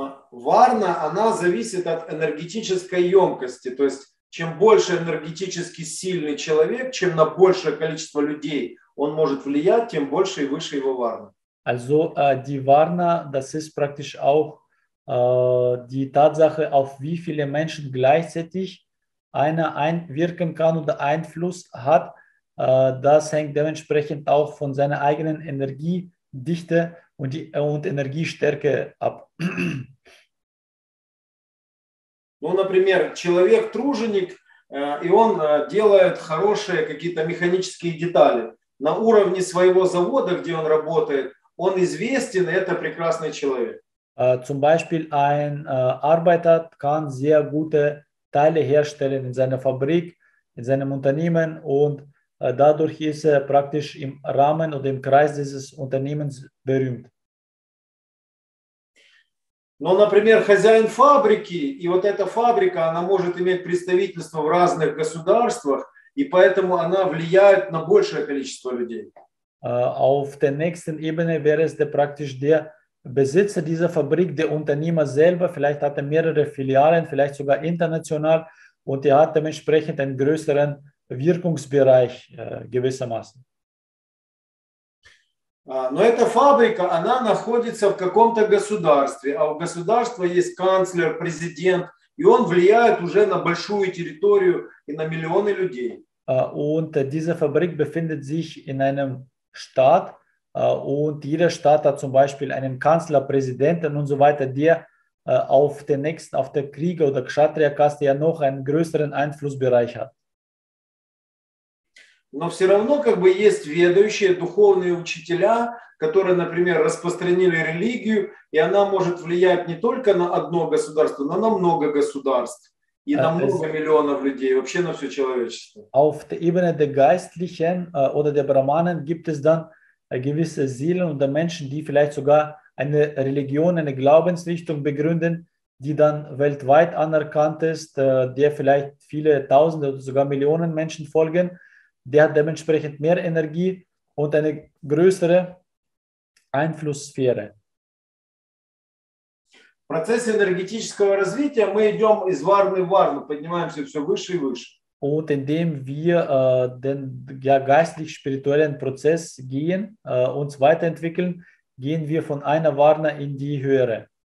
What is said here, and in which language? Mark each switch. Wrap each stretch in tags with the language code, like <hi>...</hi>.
<ru>Varna, она зависит от энергетической емкости, то есть чем больше энергетически сильный человек, чем на большее количество людей он может влиять, тем больше и выше его Varna.</ru> <de>Also die Varna, das ist praktisch auch die Tatsache, auf wie viele Menschen gleichzeitig einer einwirken kann oder Einfluss hat, das hängt dementsprechend auch von seiner eigenen Energiedichte und Energiestärke ab.</de> <ru>Ну, например, человек-труженик, и он делает хорошие какие-то механические детали. На уровне своего завода, где он работает, он известен, и это прекрасный человек.</ru> <de>Zum Beispiel ein Arbeiter kann sehr gute Teile herstellen in seiner Fabrik, in seinem Unternehmen und dadurch ist er praktisch im Rahmen oder im Kreis dieses Unternehmens berühmt.</de> <ru>Ну, например, хозяин фабрики, и вот эта фабрика, она может иметь представительство в разных государствах, и поэтому она влияет на большее количество людей.</ru> <de>Auf der nächsten Ebene wäre es der praktisch der Besitzer dieser Fabrik, der Unternehmer selber, vielleicht hat er mehrere Filialen, vielleicht sogar international und er hat dementsprechend einen größeren Wirkungsbereich gewissermaßen.</de> <ru>Но эта фабрика, она находится в каком-то государстве, а у государства есть канцлер, президент, и он влияет уже на большую территорию и на миллионы людей.</ru> <de>Und diese Fabrik befindet sich in einem Staat, und jeder Staat hat zum Beispiel einen Kanzler, Präsidenten und so weiter, der auf den nächsten, auf der Krieger- oder Kshatriya-Kaste ja noch einen größeren Einflussbereich hat.</de> <ru>Но все равно как бы есть ведущие, духовные учителя, которые, например, распространили религию, и она может влиять не только на одно государство, но на много государств и на много миллионов людей, вообще на все человечество.</ru> <de>Auf der Ebene der Geistlichen oder der Brahmanen gibt es dann gewisse Seelen oder Menschen, die vielleicht sogar eine Religion, eine Glaubensrichtung begründen, die dann weltweit anerkannt ist, der vielleicht viele Tausende oder sogar Millionen Menschen folgen, der hat dementsprechend mehr Energie und eine größere Einflusssphäre.</de> <ru>В процессе энергетического развития мы идем из варны в варну, поднимаемся все выше и выше.</ru> <de>Und indem wir den geistlich-spirituellen Prozess gehen, uns weiterentwickeln, gehen wir von einer Varna in die höhere.</de>